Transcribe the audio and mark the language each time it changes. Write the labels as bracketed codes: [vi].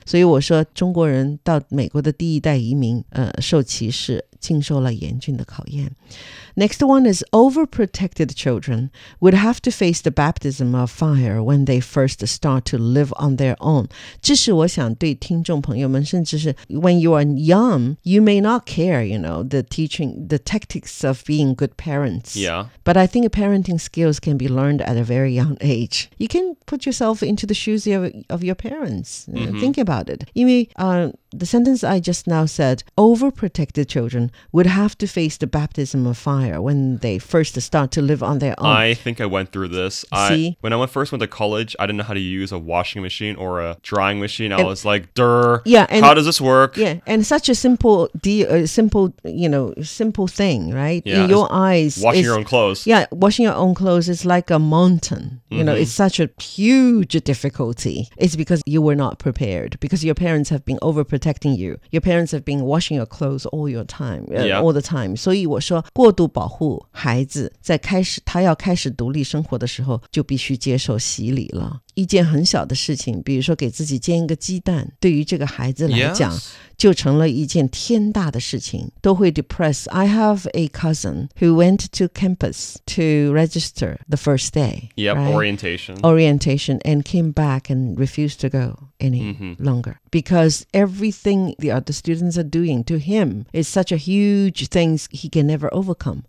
[zh] 所以我说中国人到美国的第一代移民受歧视，经受了严峻的考验。 [en] Next one is overprotected children would have to face the baptism of fire when they first start to live on their own. 这是我想对听众朋友们，甚至是 when you are young, you may not care, you know, the tactics of being good parents. Yeah. But I think parenting skills can be learned at a very young age. You can put yourself into the shoes of your parents. Think about it. 因为the sentence I just now said, overprotected children would have to face the baptism of fire when they first start to live on their own. I think I went through this. When I first went to college, I didn't know how to use a washing machine or a drying machine. I was like, durr, yeah, and, how does this work? Yeah, and such a simple thing, right? Yeah, in your eyes. Washing your own clothes. Yeah, washing your own clothes is like a mountain. Mm-hmm. You know, it's such a huge difficulty. It's because you were not prepared, because your parents have been overprotecting you. Your parents have been washing your clothes all your time, yeah. all the time. [zh] 所以我说过度保护孩子在开始他要开始独立生活的时候就必须接受洗礼了。一件很小的事情，比如说给自己煎一个鸡蛋，对于这个孩子来讲、 [en] yes. [zh] 就成了一件天大的事情，都会 depress. [en] I have a cousin who went to campus to register the first day. Yep,、 right? orientation. Orientation and came back and refused to go any、mm-hmm. longer. Because everything the other students are doing to him is such a huge thing he can never overcome.